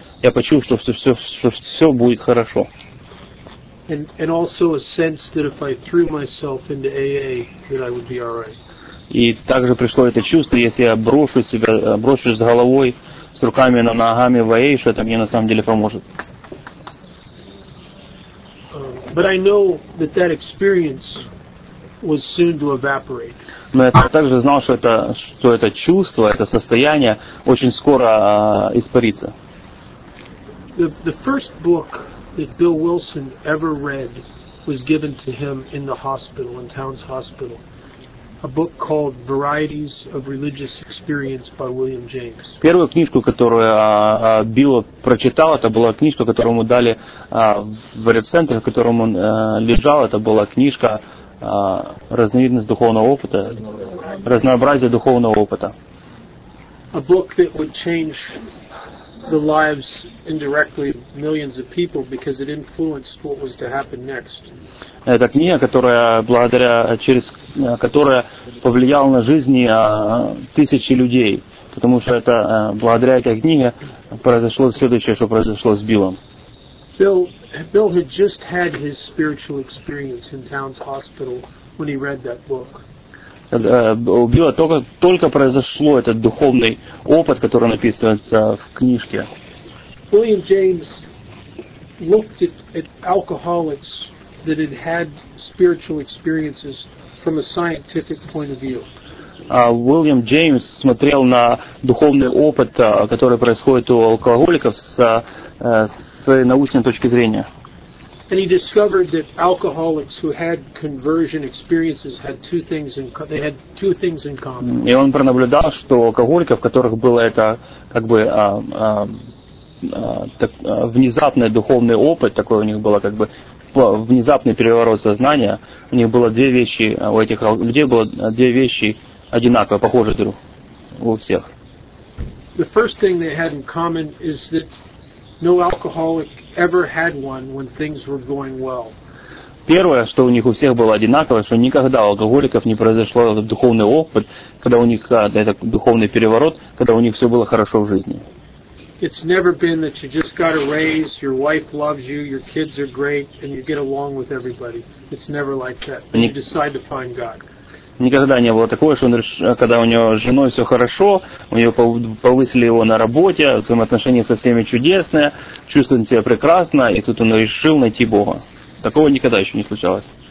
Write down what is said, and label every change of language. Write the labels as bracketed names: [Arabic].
[Russian] Я почувствовал, что все будет хорошо. [English] And also a sense that if I threw myself into AA, that I would be all right. [Russian] И также пришло это чувство, если я брошусь с головой, с руками, на ногами в AA, что это мне на самом деле поможет. [English] But I know that experience was soon to evaporate. [Russian] Но я также знал, что это чувство, это состояние очень скоро испарится. [English] The first book that Bill Wilson ever read was given to him in the hospital, in Towns Hospital. A book called Varieties of Religious Experience by William James. [Russian] Первую книжку, которую Билл прочитал, это была книжка, которую ему дали в реабцентре, в котором он лежал, это была книжка «Разновидность духовного опыта», «Разнообразие духовного опыта». [English] A book that would change the lives indirectly of millions of people because it influenced what was to happen next. [Russian] Эта книга, которая благодаря через которая повлияла на жизни тысячи людей, потому что это благодаря этой книге произошло следующее, что произошло с Биллом. [English] Bill had just had his spiritual experience in Towns Hospital when he read that book. [Russian] У Билла только произошло этот духовный опыт, который написывается в книжке. [English] William James looked at alcoholics that had had spiritual experiences from a scientific point of view. [Russian] William James смотрел на духовный опыт, который происходит у алкоголиков с научной точки зрения. [English] And he discovered that alcoholics who had conversion experiences had two things in common. [Russian] И он пронаблюдал, что алкоголики, в которых было это как бы внезапный духовный опыт, такой у них было как бы внезапный переворот сознания, у них было две вещи, у этих людей было две вещи одинаково похожи друг у всех. [English] The first thing they had in common is that no alcoholic ever had one when things were going well. [Russian] Первое, что у них у всех было одинаково, что никогда у алкоголиков не произошло этот духовный опыт, когда у них этот духовный переворот, когда у них все было хорошо в жизни. [English] It's never been that you just got a raise, your wife loves you, your kids are great, and you get along with everybody. It's never like that. You decide to find God. [Russian] Никогда не было такого, что он, когда у него с женой все хорошо, у него повысили его на работе, взаимоотношения со всеми чудесные, чувствует себя прекрасно, и тут он решил найти Бога. Такого никогда еще не случалось.